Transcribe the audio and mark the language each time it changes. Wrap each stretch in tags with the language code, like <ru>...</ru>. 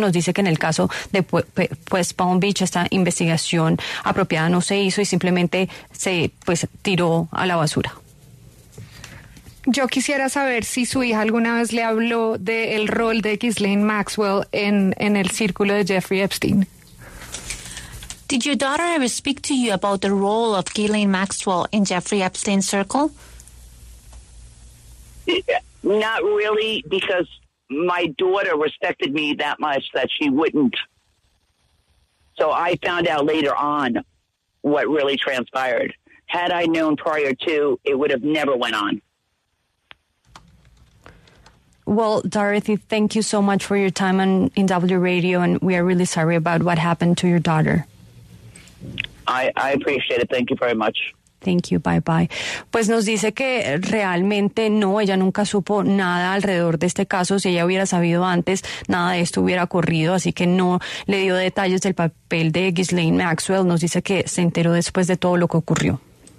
<es>Nos dice que en el caso de pues Palm Beach esta investigación apropiada no se hizo y simplemente se pues tiró a la basura. Yo quisiera saber si su hija alguna vez le habló del rol de Ghislaine Maxwell en el círculo de Jeffrey Epstein.</es> <en>Did your daughter ever speak to you about the role of Ghislaine Maxwell in Jeffrey Epstein's circle? Not really, because my daughter respected me that much that she wouldn't. So I found out later on what really transpired. Had I known prior to, it would have never went on. Well, Dorothy, thank you so much for your time in W Radio, and we are really sorry about what happened to your daughter. I appreciate it. Thank you very much. Thank you. Bye bye.</en> <es>Pues nos dice que realmente no, ella nunca supo nada alrededor de este caso. Si ella hubiera sabido antes, nada de esto hubiera ocurrido. Así que no le dio detalles del papel de Ghislaine Maxwell. Nos dice que se enteró después de todo lo que ocurrió.</es>